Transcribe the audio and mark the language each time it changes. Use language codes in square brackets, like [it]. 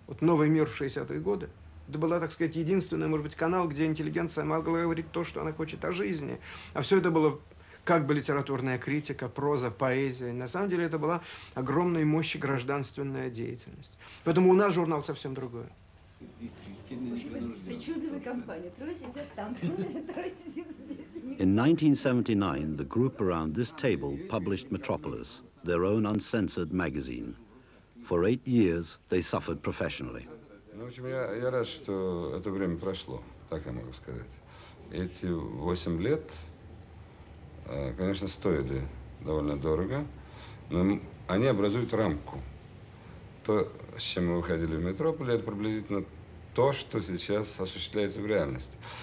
[ru] Вот «Новый мир» в 60-е годы – это была, так сказать, единственный, может быть, канал, где интеллигенция могла говорить то, что она хочет о жизни. А все это было как бы литературная критика, проза, поэзия. На самом деле это была огромной мощи гражданственная деятельность. Поэтому у нас журнал совсем другой. Причудливая компания. Трое сидят там, трое сидят здесь. [en] In 1979, the group around this table published Metropolis, their own uncensored magazine. For 8 years, they suffered professionally. [ru] Ну, в общем, я рад, что это время прошло, так я могу сказать. Эти 8 лет, конечно, стоили довольно дорого, но они образуют рамку. То, с чем мы выходили в Метрополь, это приблизительно то, что сейчас осуществляется в реальности.